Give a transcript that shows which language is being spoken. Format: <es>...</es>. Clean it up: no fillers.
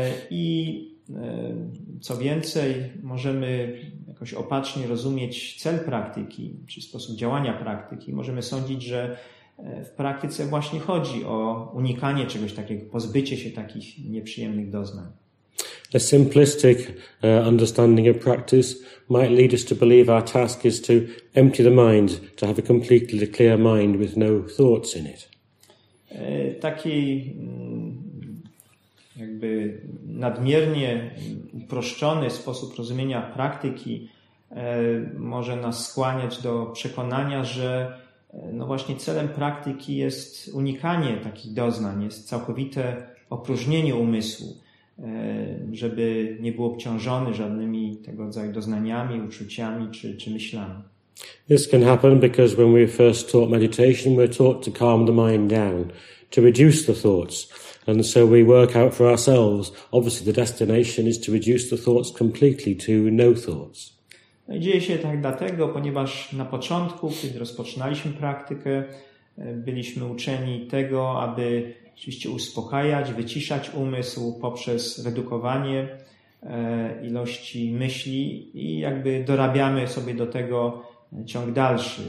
<pl>I co więcej, możemy jakoś opacznie rozumieć cel praktyki, czy sposób działania praktyki. Możemy sądzić, że w praktyce właśnie chodzi o unikanie czegoś takiego, pozbycie się takich nieprzyjemnych doznań.</pl> <en>A simplistic understanding of practice might lead us to believe our task is to empty the mind, to have a completely clear mind with no thoughts in it.</en> <pl>Taki jakby nadmiernie uproszczony sposób rozumienia praktyki może nas skłaniać do przekonania, że no właśnie celem praktyki jest unikanie takich doznań, jest całkowite opróżnienie umysłu, żeby nie był obciążony żadnymi tego rodzaju doznaniami, uczuciami czy myślami.</pl> <en>This can happen because when we first taught meditation, we're taught to calm the mind down, to reduce the thoughts. And so we work out for ourselves, obviously the destination is to reduce the thoughts completely to no thoughts.</en> <pl>No i dzieje się tak dlatego, ponieważ na początku, kiedy rozpoczynaliśmy praktykę, byliśmy uczeni tego, aby oczywiście uspokajać, wyciszać umysł poprzez redukowanie ilości myśli i jakby dorabiamy sobie do tego ciąg dalszy.</pl>